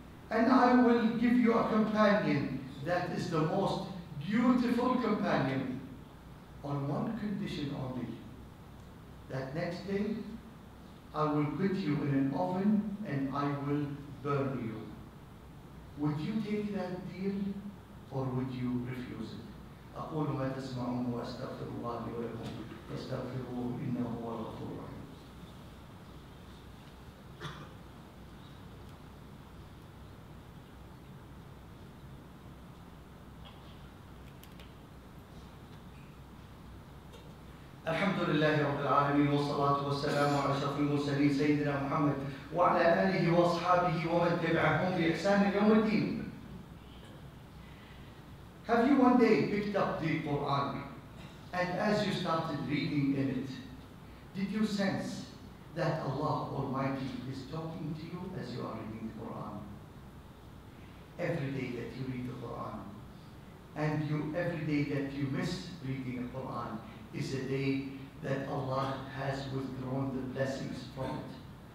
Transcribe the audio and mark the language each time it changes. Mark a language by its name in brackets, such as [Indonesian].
[English] And I will give you a companion that is the most beautiful companion, on one condition only, that next day I will put you in an oven and I will burn you. Would you take that deal or would you refuse it? [Arabic] أقول ما تسمعون وأستغفر الله لي ولكم فاستغفروه إنه هو الغفور الرحيم. الحمد لله رب العالمين والصلاة والسلام على أشرف المرسلين سيدنا محمد وعلى آله وأصحابه ومن تبعهم بإحسان يوم الدين. [English] Have you one day picked up the Quran, and as you started reading in it, did you sense that Allah Almighty is talking to you as you are reading the Quran? Every day that you read the Quran, and every day that you miss reading the Quran, is a day that Allah has withdrawn the blessings from it.